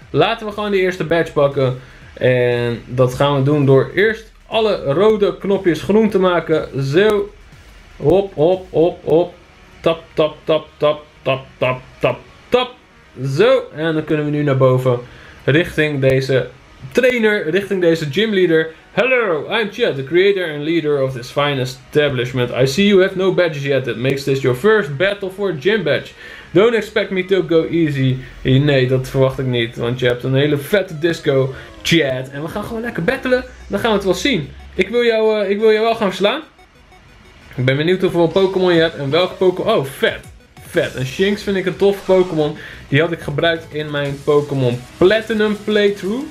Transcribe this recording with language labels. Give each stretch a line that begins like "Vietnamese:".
Dutch: Laten we gewoon de eerste badge pakken. En dat gaan we doen door eerst alle rode knopjes groen te maken. Zo. Hop. Tap. Zo. En dan kunnen we nu naar boven richting deze trainer, richting deze gymleader.
English: Hello, I'm Chet, the creator and leader of this fine establishment. I see you have no badges yet. That makes this your first battle for a gym badge. Don't expect me to go easy.
Dutch: Nee, dat verwacht ik niet. Want je hebt een hele vette disco, Chet. En we gaan gewoon lekker battelen. Dan gaan we het wel zien. Ik wil jou wel gaan verslaan. Ik ben benieuwd hoeveel Pokémon je hebt en welke Pokémon. Oh, vet. Vet. En Shinx vind ik een tof Pokémon. Die had ik gebruikt in mijn Pokémon Platinum playthrough.